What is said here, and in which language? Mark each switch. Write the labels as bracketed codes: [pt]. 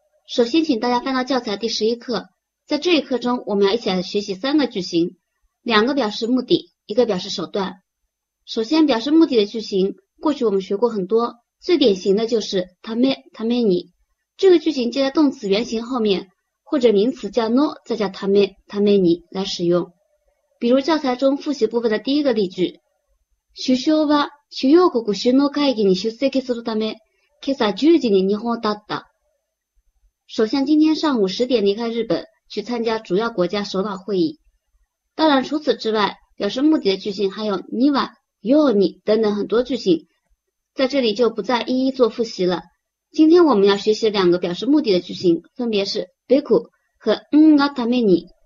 [zh] 首先请大家翻到教材第十一课，在这一课中我们要一起来学习三个句型，两个表示目的，一个表示手段。首先表示目的的句型，过去我们学过很多，最典型的就是ため、ために。这个句型接在动词原形后面，或者名词加 no 再加ため、ために来使用。比如教材中复习部分的第一个例句， [ja] 首相は主要国首脳会議に出席するため今朝10時に日本を立った。 [zh] 首相今天上午10点离开日本去参加主要国家首脑会议。当然除此之外，表示目的的句型还有には、ように等等很多句型，在这里就不再一一做复习了。今天我们要学习两个表示目的的句型，分别是べく和んがために。